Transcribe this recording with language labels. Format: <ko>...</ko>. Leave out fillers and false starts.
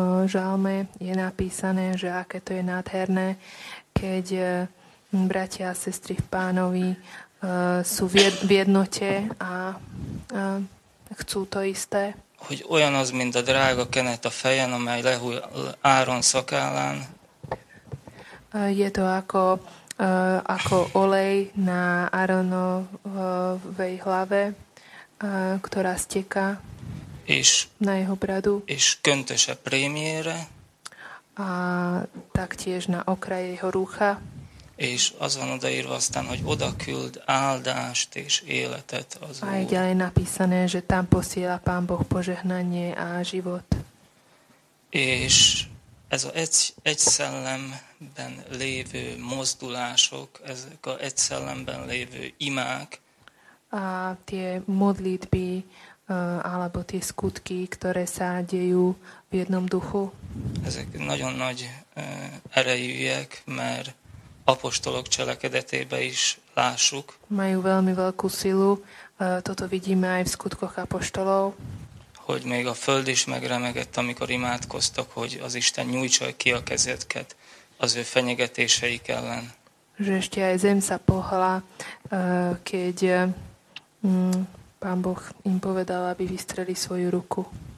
<sk>žalme je napísané, že aké to je nádherné, keď bratia a sestry v Pánovi sú v jednote a chcú to isté.</sk> <hu>Hogy olyan az, mint a drága kenet a fejen, amely lehúj Áron szakálán.</hu> <sk>Je to ako olej na Aronovej hlave, ktorá steká na jeho bradu.</sk> <hu>És köntöse prémiére.</hu> <sk>A taktiež na okraje jeho rúcha.</sk> <hu>És az van odaírva aztán, hogy oda küld áldást és életet az Úr.</hu> <sk>A je ďalej napísané, že tam posiela Pán Boh požehnanie a život.</sk> <hu>És ez az egy szellemben lévő mozdulások, ezek az egy szellemben lévő imák.</hu> <sk>A tie modlitby, alebo tie skutky, ktoré sa dejú v jednom duchu.</sk> <hu>Ezek nagyon nagy erejűek, mert apostolok cselekedetébe is lássuk.</hu> <sk>Majú veľmi veľkú silu, toto vidíme aj v skutkoch apostolov.</sk> <hu>Hogy még a föld is megremegett, amikor imádkoztak, hogy az Isten nyújtsa ki a kezedket az ő fenyegetéseik ellen.</hu> <sk>Že ešte aj zem sa pohla, keď Pán Boh im povedal, aby vystreli svoju ruku.</sk>